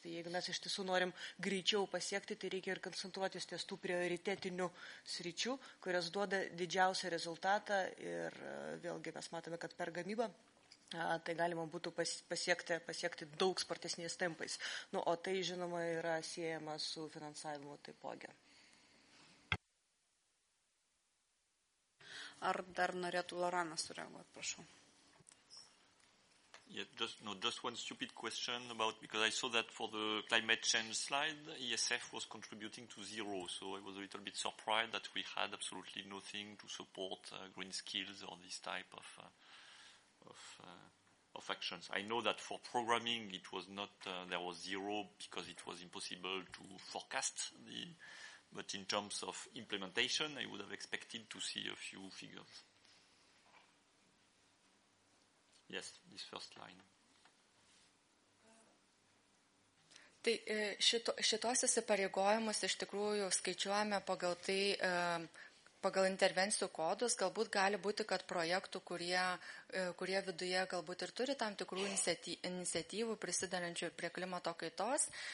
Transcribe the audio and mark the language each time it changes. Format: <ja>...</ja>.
<lt>Tai jeigu mes iš tiesų norim greičiau pasiekti, tai reikia ir koncentruotis ties tų prioritetinių sričių, kurios duoda didžiausią rezultatą ir vėlgi mes matome, kad per gamybą tai galima būtų pasiekti daug spartesniais tempais. Nu, o tai, žinoma, yra siejama su finansavimu taipogi. Ar dar norėtų Lorana sureaguoti, prašau?</lt> <en>Yeah, just one stupid question about, because I saw that for the climate change slide, ESF was contributing to zero, so I was a little bit surprised that we had absolutely nothing to support green skills or this type of actions. I know that for programming it was not, there was zero because it was impossible to forecast, but in terms of implementation I would have expected to see a few figures. Yes, this first line.</en> <lt>Tai šitos įsipareigojimus iš tikrųjų skaičiuojame pagal tai, pagal intervencijų kodus, galbūt gali būti, kad projektų, kurie viduje galbūt ir turi tam tikrų iniciatyvų prisidedančių prie klimato kaitos,</lt>